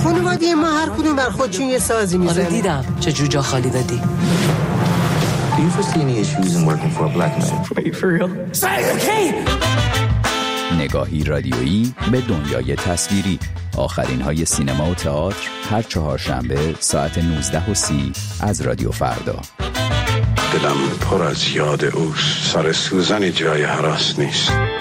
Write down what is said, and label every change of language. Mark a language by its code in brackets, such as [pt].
[fa] خانواده ما هر کدوم بر خودشون یه سازی میزنه آره دیدم چه جوجا خالی دادی [en] Do you foresee any issues in working for a black man? Wait for real? Say it again! [fa] نگاهی رادیویی به دنیای تصویری آخرین های سینما و تئاتر هر چهارشنبه ساعت 19:30 از رادیو فردا دلم پر از یاد او سر سوزنی جای هراس نیست